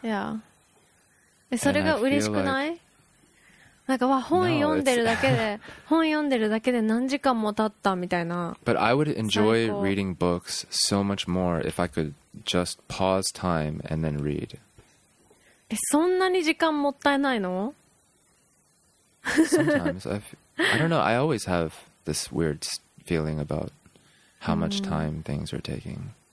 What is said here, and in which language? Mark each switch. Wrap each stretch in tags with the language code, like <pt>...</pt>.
<en>Yeah.</en> <ja>それが嬉しくない？なんかわ本読んでるだけで本読んでるだけで何時間も経ったみたいな。</ja> <en>But I would enjoy reading books so much more if I could just pause time and then read.</en> <ja>え、そんなに時間もったいないの？</ja> <en>Sometimes I don't know. I always have this weird feeling about how much time things are taking.</en>